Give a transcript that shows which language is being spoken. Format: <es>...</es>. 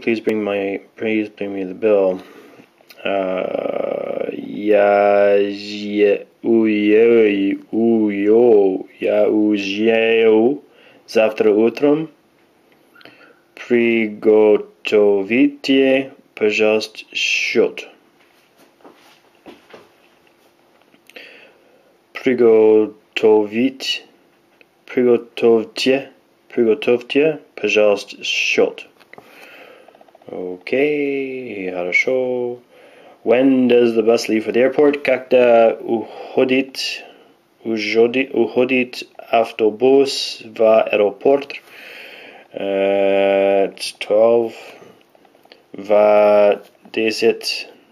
<en>Please bring my please bring me the bill.</en> <ru>Завтра утром. Приготовите, пожалуйста, счет. Приготовьте, пожалуйста, счет. Окей, хорошо.</ru> <en>When does the bus leave for the airport?</en> <ru>Когда уходит автобус в аэропорт?</ru> <en>At 12 в 10.</en>